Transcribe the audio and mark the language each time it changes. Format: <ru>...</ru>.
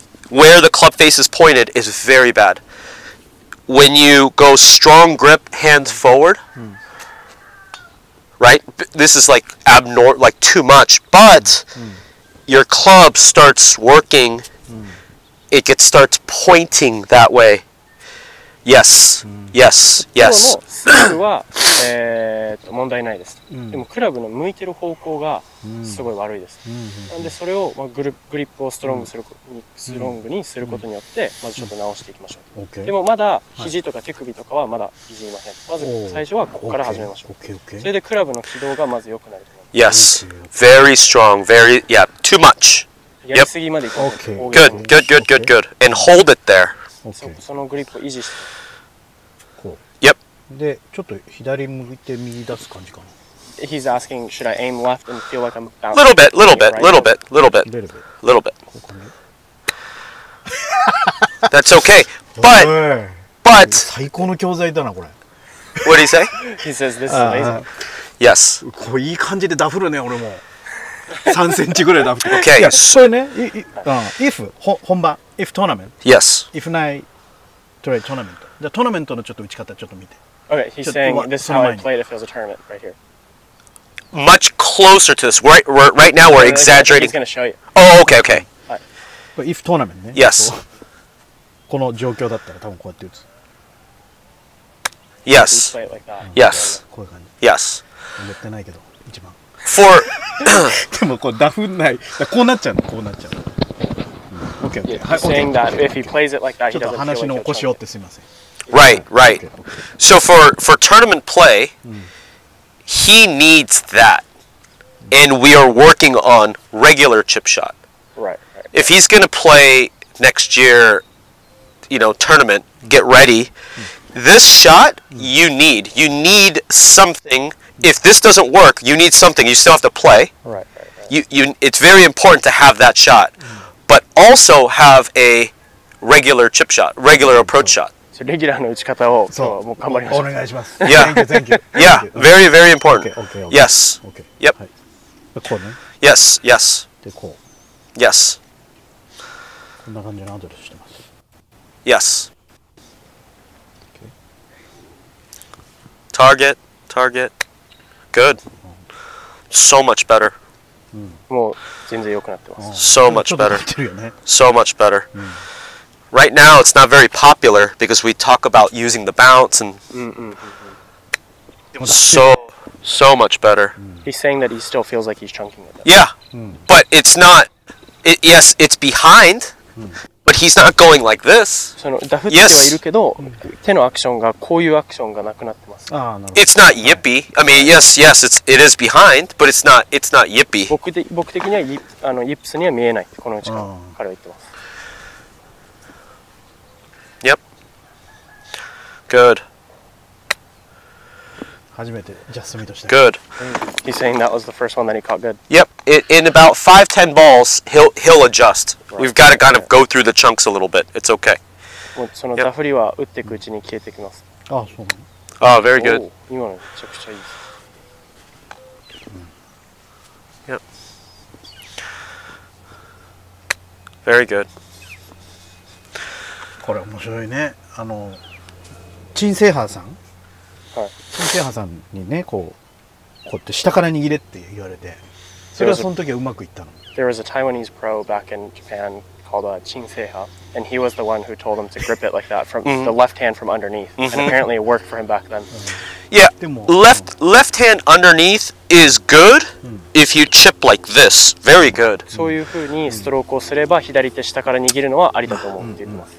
<en>Where the club face is pointed is very bad. When you go strong grip, hands forward, right? This is like abnormal, like too much. But your club starts working. It starts pointing that way. Yes, yes, yes.</en> <ja>プロのスイングは問題ないです、うん。でもクラブの向いてる方向がすごい悪いです。うん、なんでそれを、まあ、グリップをストロングする、うん、ストロングにすることによって、まずちょっと直していきましょう。うん、でもまだ肘とか手首とかはまだいじりません。まず最初はここから始めましょう。それでクラブの軌道がまず良くなると思います。</ja> <en>Yes, very strong, very, yeah, too much.</en> <ja>やりすぎまで行こう。</ja> <en>Okay. Good, good, good, good, good. And hold it there. Okay.</en> <ja>そのグリップを維持して。こう。</ja> <en>Yep.</en> <ja>で、ちょっと左向いて右出す感じかな。</ja> <en>He's asking, should I aim left and feel like I'm bouncing? Little bit, little bit, little bit, little bit, little bit. That's okay. But, but.</en> <ja>最高の教材だなこれ。</ja> <en>What did he say? He says this is amazing. Yes.</en> <ja>こういい感じでダフるね俺も。 3センチぐらいダフって。</ja> <en>Okay.</en> <ja>いや、それね、if 本番、if トーナメント、</ja> <en>yes、</en> <ja>if ない、トライトーナメント。じゃあトーナメントのちょっと打ち方ちょっと見て。</ja> <en>Okay, he's saying this is how I played if it was a tournament right here. Much closer to this. Right, right now we're exaggerating. He's gonna show you. Oh, okay, okay.</en> <ja>これ if トーナメントね。</ja> <en>Yes.</en> <ja>この状況だったら多分こうやって打つ。</ja> <en>Yes. Yes.</en> <ja>こういう感じ。</ja> <en>Yes.</en> <ja>思ってないけど一番。</ja> <en>For</en> <ja>でもこうダフんない、こうなっちゃうの、こうなっちゃうの。オッケー、はい、オッケー。ちょっと話の起こしをってすみません。</ja> <en>Right, right. So for tournament play, he needs that, and we are working on regular chip shot. Right. If he's gonna play next year, you know, tournament, get ready. This shot you need. You need something. If this doesn't work, you need something. You still have to play. Right. It's very important to have that shot, but also have a regular chip shot, regular approach shot. So regular</en> <ja>の打ち方を、そう、もう頑張ります。お願いします。</ja> <en>Yeah. Thank you. Thank you. Yeah. Very, very important. Okay. Okay. Yes. Okay. Yep.</en> <ja>こうね。</ja> <en>Yes. Yes.</en> <ja>で、こう。</ja> <en>Yes.</en> <ja>こんな感じのアドレスしてます。</ja> <en>Yes. Target. Target. Good. So much better.</en> <ja>もう全然良くなってます。</ja> <en>So much better.</en> <ja>ちょっと似てるよね。</ja> <en>So much better. Right now, it's not very popular because we talk about using the bounce and so much better. He's saying that he still feels like he's chunking it. Yeah, but it's not. It, yes, it's behind, but he's not going like this.</en> <ja>そのダフってはいるけど、手のアクションがこういうアクションがなくなってます。</ja> <en>It's not yippy. I mean, yes, yes, it is behind, but it's not yippy.</en> <ja>僕的にはイップスには見えない。この時間彼は言ってます。</ja> <en>Yep. Good.</en> <ja>初めてジャスミとして。</ja> <en>Good. He's saying that was the first one that he caught good. Yep. In about 5-10 balls, he'll adjust. We've got to kind of go through the chunks a little bit. It's okay.</en> <ja>もうそのダフリは打っていくうちに消えてきます。ああ、そう。</ja> <en>Oh, very good. Oh,</en> <ja>今のめちゃくちゃいい。</ja> <en>Yep. Very good.</en> <ja>これ面白いね。陳星波さん。はい。陳星波さんにね、こうって下から握れって言われて、それはその時はうまくいったの。</ja> <en>There was a Taiwanese pro back in Japan called Chin Seha. And he was the one who told him to grip it like that from the left hand from underneath. And apparently it worked for him back then. Yeah, left hand underneath is good if you chip like this. Very good.</en> <ja>そういうふうにストロークをすれば左手下から握るのはありだと思うって言ってます。</ja>